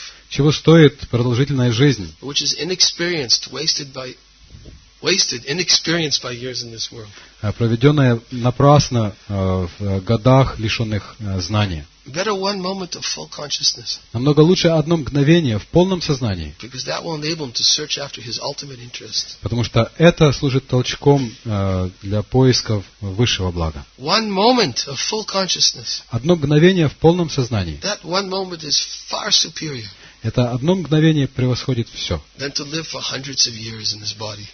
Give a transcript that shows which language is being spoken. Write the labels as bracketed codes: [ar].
[ru] Чего стоит продолжительная жизнь? Проведенная напрасно в годах, лишенных знания. [en] Better one moment of full consciousness. [ru] Намного лучше одно мгновение в полном сознании. [en] Because that will enable him to search after his ultimate interest. [ru] Потому что это служит толчком для поисков высшего блага. [en] One moment of full consciousness. [ru] Одно мгновение в полном сознании. [en] That one moment is far superior. [ru] Это одно мгновение превосходит все. [en] Than to live for hundreds of years in this body.